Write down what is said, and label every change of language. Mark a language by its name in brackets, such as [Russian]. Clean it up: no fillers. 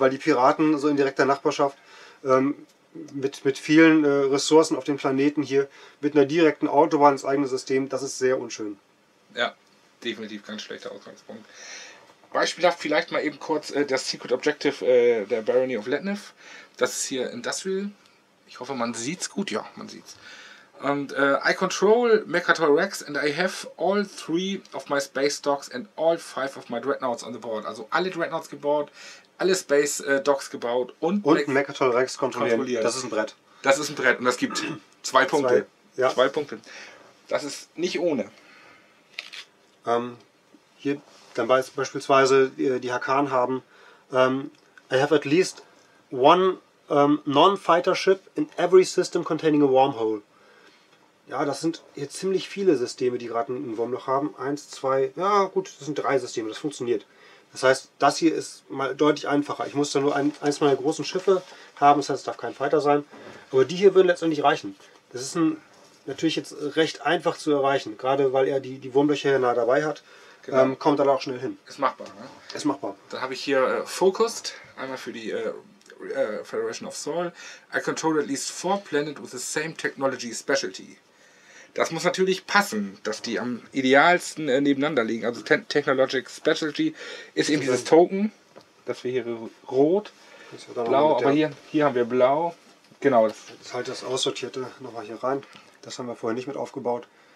[German] Weil die Piraten so in direkter Nachbarschaft mit vielen Ressourcen auf dem Planeten hier, mit einer direkten Autobahn ins eigene System, das ist sehr unschön. Ja, definitiv ganz schlechter Ausgangspunkt. Beispielhaft vielleicht mal eben kurz das Secret Objective der Barony of Latnev. Das ist hier in Dasville. Ich hoffe, man sieht's gut. Ja, man sieht's. [English] Und I control Mechatol Rex and I have all 3 of my Space Dogs and all 5 of my Dreadnoughts on the board. [German] Also alle Dreadnoughts gebaut, alle Space Dogs gebaut und Mechatol Rex kontrolliert. Das ist ein Brett. Das ist ein Brett und das gibt 2 Punkte. Ja. 2 Punkte. Das ist nicht ohne. Hier dann beispielsweise die Hakan haben. [English] I have at least 1 non-fighter ship in every system containing a wormhole. [German] Ja, das sind hier ziemlich viele Systeme, die gerade ein Wurmloch haben. 1, 2, ja gut, das sind 3 Systeme, das funktioniert. Das heißt, das hier ist mal deutlich einfacher. Ich muss da nur eins meiner großen Schiffe haben, das heißt, es darf kein Fighter sein. Aber die hier würden letztendlich reichen. Das ist natürlich jetzt recht einfach zu erreichen, gerade weil er die Wurmlöcher hier nahe dabei hat. Genau. Kommt dann auch schnell hin. Ist machbar, ne? Ist machbar. Dann habe ich hier Focused, einmal für die Federation of Sol. [English] I control at least 4 planets with the same technology specialty. [German] Das muss natürlich passen, dass die am idealsten nebeneinander liegen. Also Technologic Specialty ist eben dieses Token, das wir hier rot, ja blau, aber hier haben wir blau. Genau. Jetzt halt das Aussortierte nochmal hier rein. Das haben wir vorher nicht mit aufgebaut.